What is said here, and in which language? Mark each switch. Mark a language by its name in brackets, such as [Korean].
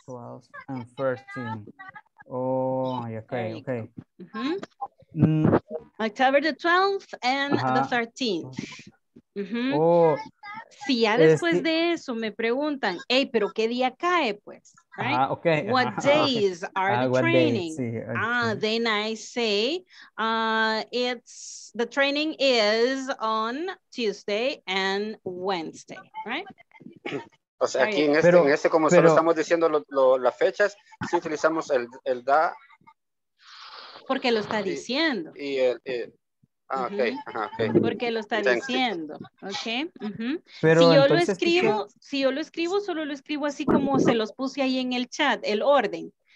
[English] 12 and 13. Oh, okay. Mm-hmm. October the 12th and the 13th. Mm-hmm. Oh. [Spanish] Si ya después de eso me preguntan, hey, pero ¿qué día cae, pues? [English] Right? Okay. What days are the training? Then I say, it's the training is on Tuesday and Wednesday, right? [Spanish] O sea, aquí en este, como solo estamos diciendo las fechas, si utilizamos el da. Porque lo está diciendo. Y el... Okay. Porque lo está diciendo, ¿ok? Pero si yo lo escribo, si yo lo escribo, solo lo escribo así como se los puse ahí en el chat, el orden.